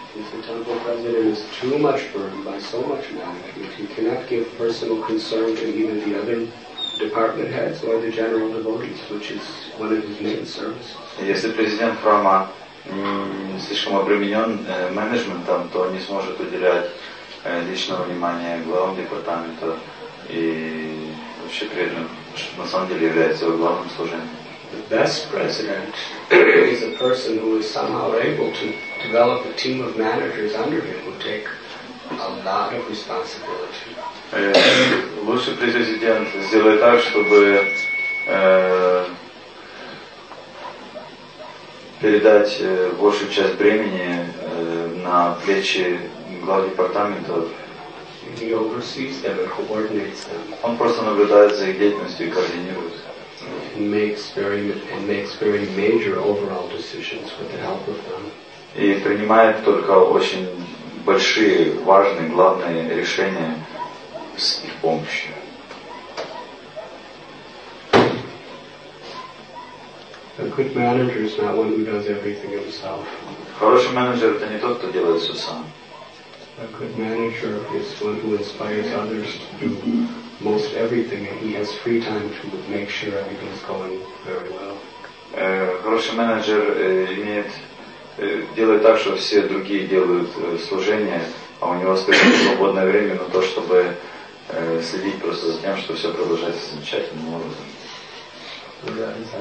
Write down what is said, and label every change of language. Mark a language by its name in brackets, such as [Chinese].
[English] If the temple president is too much burdened by so much management, he cannot give personal concern to either the other department heads or the general devotees, which is one of his main services. [Russian] Если президент храма слишком обременен менеджментом, то он не сможет уделять личного внимания главам департамента и вообще преданным, что на самом деле является его главным служением. [English] The best president is a person who is somehow able to develop a team of managers under him who take a lot of responsibility. [Russian] Лучший президент сделает так, чтобы передать большую часть бремени на плечи глав департамента. [English] He oversees them and coordinates them. [Russian] Он просто наблюдает за их деятельностью и координирует. [English] And makes very major overall decisions with the help of them. [Russian] И принимает только очень большие, важные, главные решения с их помощью. [English] A good manager is not one who does everything himself. [Russian] Хороший менеджер — это не тот, кто делает все сам. [English] A good manager is one who inspires others to do most everything, and he has free time to make sure everything's going very well. [Russian] Хороший менеджер делает так, что все другие делают служение, а у него скажем, свободное время на то, чтобы следить просто за тем, что все продолжается замечательным образом.